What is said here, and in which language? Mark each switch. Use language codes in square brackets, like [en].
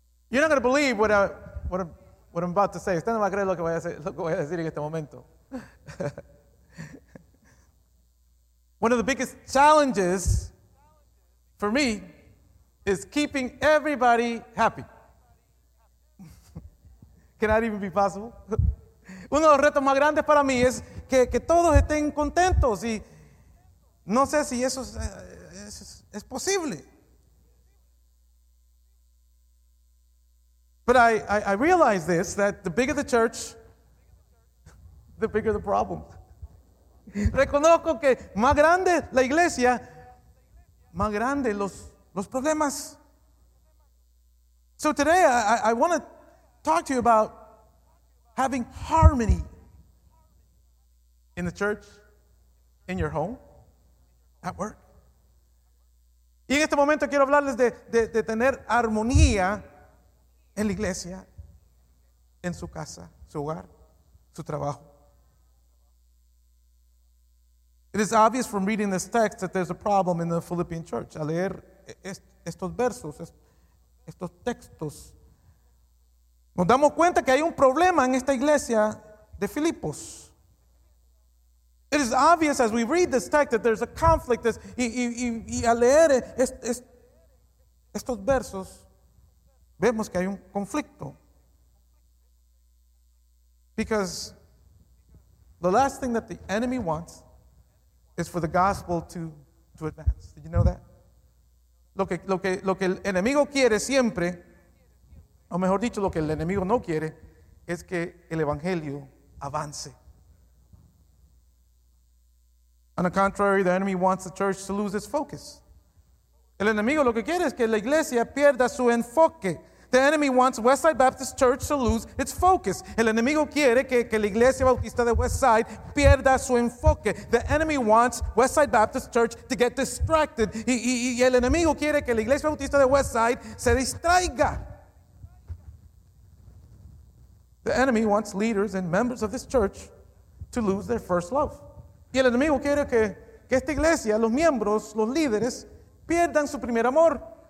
[en] You're not going to believe what I'm about to say. [es] Usted no va a creer lo que voy a decir en este momento. [en] One of the biggest challenges for me is keeping everybody happy. Can that even be possible? [es] Uno de los retos más grandes para mí es que todos estén contentos, y no sé si eso es posible. [en] But I realize this, that the bigger the church, the bigger the problem. [es] Reconozco que más grande la iglesia, más grande los problemas. [en] So today I want to talk to you about having harmony in the church, in your home, at work. [es] Y en este momento quiero hablarles de tener armonía en la iglesia, en su casa, su hogar, su trabajo. [en] It is obvious from reading this text that there's a problem in the Philippian church. [es] Al leer estos versos, estos textos, nos damos cuenta que hay un problema en esta iglesia de Filipos. [en] It is obvious as we read this text that there's a conflict. [es] Y al leer estos versos, vemos que hay un conflicto. [en] Because the last thing that the enemy wants is for the gospel to advance. Did you know that? [es] Lo que el enemigo quiere siempre, o mejor dicho, lo que el enemigo no quiere, es que el evangelio avance. [en] On the contrary, the enemy wants the church to lose its focus. [es] El enemigo lo que quiere es que la iglesia pierda su enfoque. [en] The enemy wants Westside Baptist Church to lose its focus. [es] El enemigo quiere que la iglesia bautista de Westside pierda su enfoque. [en] The enemy wants Westside Baptist Church to get distracted. [es] Y el enemigo quiere que la iglesia bautista de Westside se distraiga. [en] The enemy wants leaders and members of this church to lose their first love. [es] Y el enemigo quiere que esta iglesia, los miembros, los líderes, pierdan su primer amor.